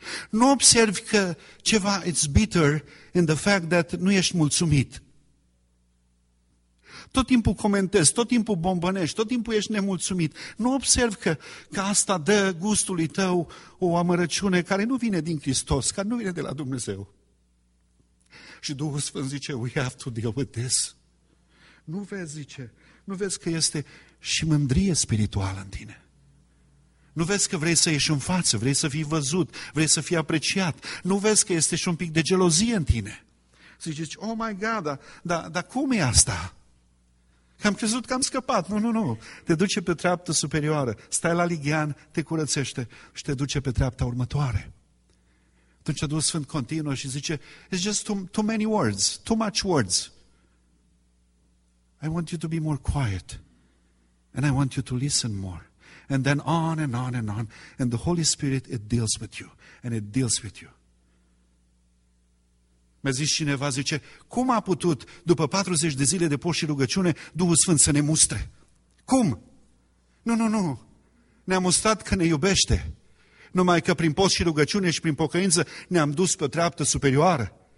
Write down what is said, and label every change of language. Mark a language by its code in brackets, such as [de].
[ro] Nu observi că ceva, [en] it's bitter in the fact that [ro] nu ești mulțumit. Tot timpul comentezi, tot timpul bombănești, tot timpul ești nemulțumit. Nu observi că asta dă gustului tău o amărăciune care nu vine din Hristos, care nu vine de la Dumnezeu. Și Duhul Sfânt zice, [en] we have to deal with this. [ro] Nu vezi, zice, nu vezi că este și mândrie spirituală în tine. Nu vezi că vrei să ieși în față, vrei să fii văzut, vrei să fii apreciat. Nu vezi că este și un pic de gelozie în tine. Și zici, [en] oh my God, [ro] dar cum e asta? Am crezut că am scăpat. Nu. Te duce pe treapta superioară. Stai la lighean, te curățește și te duce pe treapta următoare. Atunci Duhul Sfânt continuă și zice, [en] it's just too many words, too much words. I want you to be more quiet. And I want you to listen more. And then on and on and on. And the Holy Spirit, it deals with you. And it deals with you. [ro] Mi-a zis cineva, zice, cum a putut, după 40 de zile de post și rugăciune, Duhul Sfânt să ne mustre? Cum? Nu. Ne-a mustrat că ne iubește. Numai că prin post și rugăciune și prin pocăință ne-am dus pe o treaptă superioară.